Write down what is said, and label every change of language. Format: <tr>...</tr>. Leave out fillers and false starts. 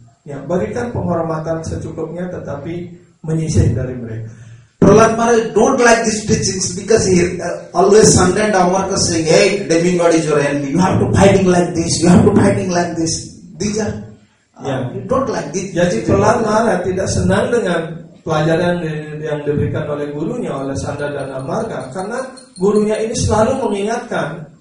<id>Ya, berikan penghormatan secukupnya, tetapi menyisih dari mereka.</id> <en>Prahlad Maharaj don't like these teachings because he always Sandeep Amarka saying, hey, demigod is your enemy. You have to fighting like this. You have to fighting like this. These are don't like this.</en> <id>Jadi Prahlad Maharaj tidak senang dengan pelajaran yang diberikan oleh gurunya, oleh Sandeep Amarka, karena gurunya ini selalu mengingatkan.</id>